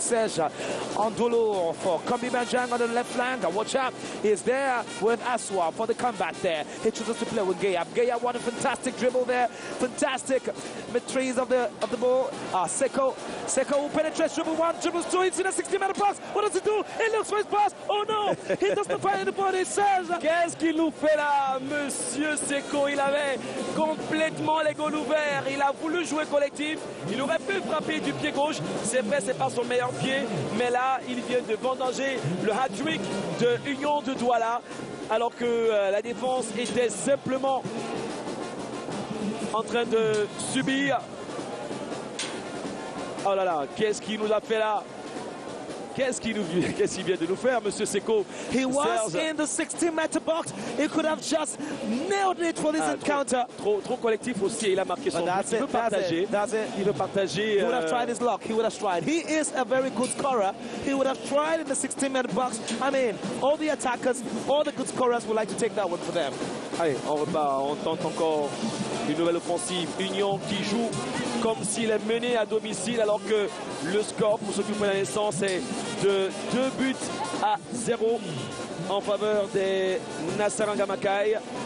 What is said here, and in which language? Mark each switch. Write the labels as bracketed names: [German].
[English] Serge Ndoulou for Kambi Manjang on the left flank. And watch out. He's there with Assoua for the comeback there. He chooses to play with Gayab. Gayab, what a fantastic dribble there. Fantastic mid-trees of the ball. Seko. Seko who penetrates dribble one, dribbles two. He's in a 60-meter pass. What does he do? He looks for his pass. Oh no. He doesn't find anybody. Serge. [French] Qu'est-ce qu'il nous fait là, monsieur Seko? Il avait complètement les goals ouverts. Il a voulu jouer contre. Il aurait pu frapper du pied gauche, c'est vrai, c'est pas son meilleur pied, mais là il vient de vendanger le hat-trick de Union de Douala alors que la défense était simplement en train de subir. Oh là là, qu'est-ce qu'il nous a fait là? Qu'est-ce qu'il vient de nous faire, Monsieur Seko? [English] He was in the 60-meter box. He could have just nailed it for this encounter. [French] Trop collectif aussi. Il a marqué son but. Il veut partager. Il veut partager. [English] He would have tried his luck. He would have tried. He is a very good scorer. He would have tried in the 60-meter box. I mean, all the attackers, all the good scorers would like to take that one for them. [French] Allez, on repart. On tente encore une nouvelle offensive. Union qui joue comme s'il est mené à domicile alors que le score pour ceux qui prennent la naissance est de 2-0 en faveur des Nasarangamakai.